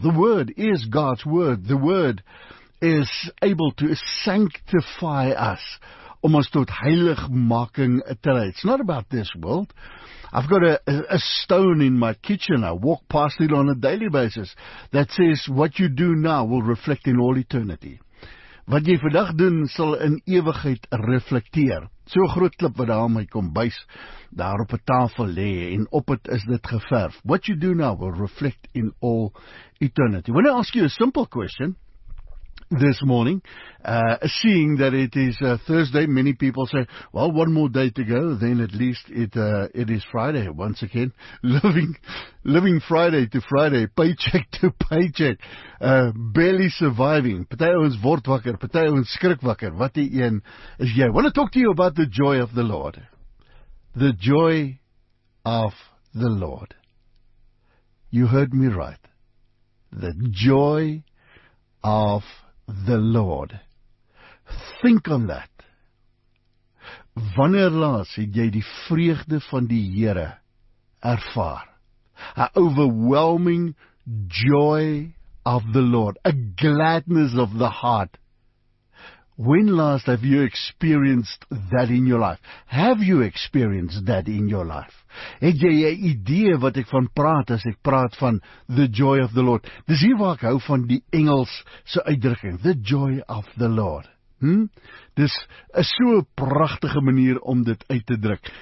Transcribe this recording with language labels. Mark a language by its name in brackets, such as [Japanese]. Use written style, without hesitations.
[English] The word is God's word. The word is able to sanctify us. [Afrikaans] Om ons tot heiligmaking te lei. [English] It's not about this world. I've got a stone in my kitchen. I walk past it on a daily basis. That says, what you do now will reflect in all eternity. [Afrikaans] Wat jy vandag doen, sal in ewigheid reflekteer. So groot klip wat daar my kombuis daar op 'n tafel lê en op het is dit geverf. [English] What you do now will reflect in all eternity. When I ask you a simple question, this morning, seeing that it is Thursday, many people say, well, one more day to go, then at least it is Friday once again. Living Friday to Friday, paycheck to paycheck, barely surviving. [Afrikaans] Party ons word wakker, party ons skrik wakker. Wat die een is jy? [English] I want to talk to you about the joy of the Lord. The joy of the Lord. You heard me right. The joy of the Lord. Think on that. [Afrikaans] Wanneer laas het jy die vreugde van die Here ervaar? [English] A overwhelming joy of the Lord. A gladness of the heart. When last have you experienced that in your life? Have you experienced that in your life? [Afrikaans] Het jy 'n idee wat ek van praat as ek praat van [English] the joy of the Lord? [Afrikaans] Dis hier waar ek hou van die Engels se uitdrukking, [English] the joy of the Lord. [Afrikaans] Dis is so 'n pragtige manier om dit uit te druk.